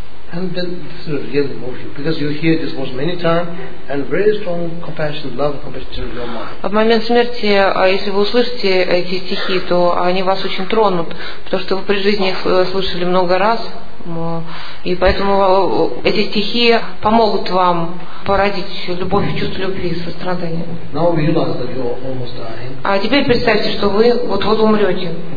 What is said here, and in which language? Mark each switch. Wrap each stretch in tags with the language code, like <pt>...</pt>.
<en>And then this is a real emotion because you hear this verse many times and very strong compassion, love, compassion in your mind.</en> <ru>В момент смерти, если вы услышите эти стихи, то они вас очень тронут, потому что вы при жизни их слышали много раз, и поэтому эти стихи помогут вам породить любовь и чувство любви и сострадания.</ru> <en>Now we realize that you are almost dying.</en> <ru>А теперь представьте, что вы вот-вот умрете.</ru>